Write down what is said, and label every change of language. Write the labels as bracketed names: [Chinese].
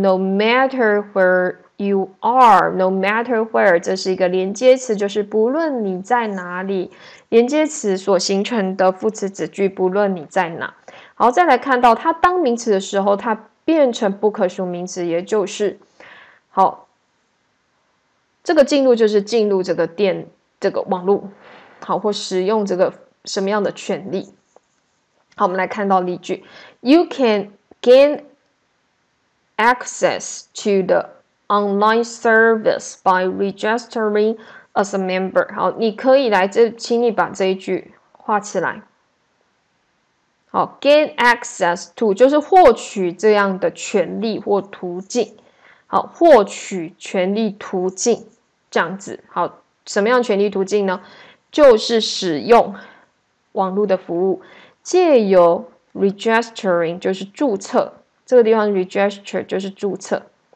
[English] No matter where you are， no matter where， [Chinese] 这是一个连接词，就是不论你在哪里，连接词所形成的副词子句，不论你在哪。好，再来看到它当名词的时候，它变成不可数名词，也就是好，这个进入就是进入这个电，这个网络，好，或使用这个什么样的权利。好，我们来看到例句。 [English] You can gain access to the online service by registering as a member. [Chinese] 好，你可以来这，请你把这一句画起来。好， gain access to 就是获取这样的权利或途径。好，获取权利途径这样子。好，什么样权利途径呢？就是使用网络的服务，借由 registering 就是注册，这个地方 register 就是注册。